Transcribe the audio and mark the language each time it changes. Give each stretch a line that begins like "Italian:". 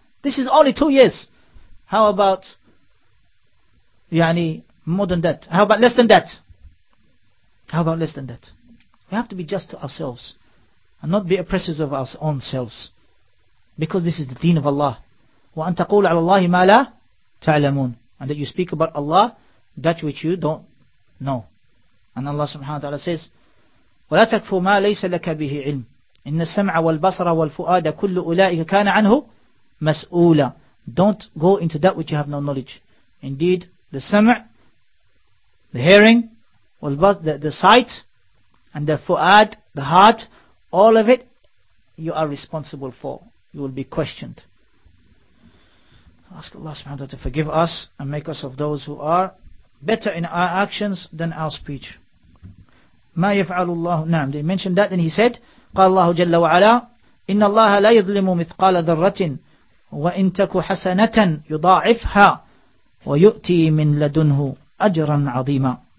English: This is only 2 years. How about yani more than that? How about less than that? How about less than that? We have to be just to ourselves and not be oppressors of our own selves. Because this is the deen of Allah.
Arabic: وَأَن تَقُولَ عَلَى اللَّهِ مَا لَا تَعْلَمُونَ.
English: And that you speak about Allah that which you don't know. And Allah subhanahu wa ta'ala says,
Arabic: وَلَا تَكْفُوا مَا لَيْسَ لَكَ بِهِ عِلْمٍ إِنَّ السَّمْعَ وَالْبَصَرَ وَالْفُؤَادَ كُلُّ أُولَٰئِكَ كَانَ عَنْهُ مَسْئُولًا.
English: Don't go into that which you have no knowledge. Indeed, the sam', the hearing, the sight, and the fu'ad, the heart, all of it, you are responsible for. You will be questioned. Ask Allah subhanahu wa ta'ala to forgive us and make us of those who are better in our actions than our speech.
Arabic: ما يفعل الله نعم.
English: They mentioned that, and he said,
Arabic: قال الله جل وعلا إن الله لا يظلم مثقال ذرة وإن تك حسنة يضاعفها ويؤتي من لدنه أجرا عظيما.